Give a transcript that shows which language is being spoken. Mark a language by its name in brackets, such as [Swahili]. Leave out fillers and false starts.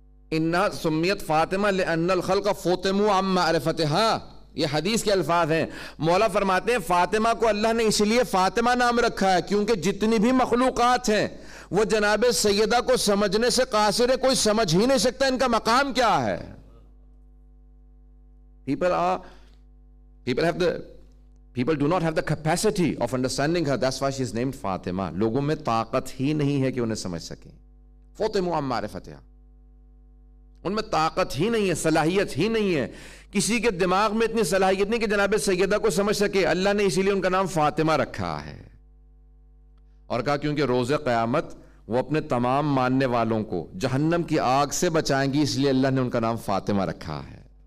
[Arabic] انہا سمیت فاطمہ لئن الخلق فوتمو عم معرفتہا, [Urdu] یہ حدیث کے الفاظ ہیں. مولا فرماتے ہیں فاطمہ کو اللہ نے اس لیے فاطمہ نام رکھا ہے کیونکہ جتنی بھی مخلوقات ہیں وہ جناب سیدہ کو سمجھنے سے قاصر ہے, کوئی سمجھ ہی نہیں سکتا ان کا مقام کیا ہے. [English] People do not have the capacity of understanding her. That's why she is named Fatima. [Urdu] لوگوں میں طاقت ہی نہیں ہے کہ انہیں سمجھ سکیں. فاطمہ عم معرفتہا, ان میں طاقت ہی نہیں ہے, صلاحیت ہی نہیں ہے. کسی کے دماغ میں اتنی صلاحیت نہیں کہ جناب سیدہ کو سمجھ سکے. اللہ نے اسی لیے ان کا نام فاطمہ رکھا ہے اور کہا کیونکہ روز قیامت وہ اپنے تمام ماننے والوں کو جہنم کی آگ سے بچائیں گی, اس لیے اللہ نے ان کا نام فاطمہ رکھا ہے.